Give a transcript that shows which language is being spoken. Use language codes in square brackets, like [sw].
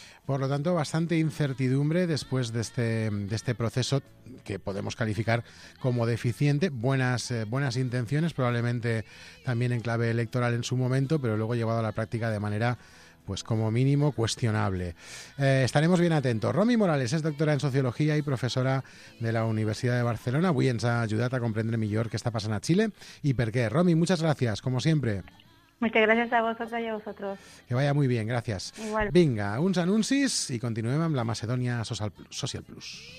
[es] Por lo tanto, bastante incertidumbre después de este proceso que podemos calificar como deficiente. Buenas intenciones, probablemente también en clave electoral en su momento, pero luego llevado a la práctica de manera, pues como mínimo, cuestionable. Estaremos bien atentos. Romy Morales es doctora en Sociología y profesora de la Universidad de Barcelona. [ca] Avui ens ha ajudat a comprendre millor què està passant a Chile y per qué. [es] Romy, muchas gracias, como siempre. Muchas gracias a vosotros y a vosotros. Que vaya muy bien, gracias. Igual. [ca] Vinga, uns anuncis i continuem amb la Macedònia Social Plus.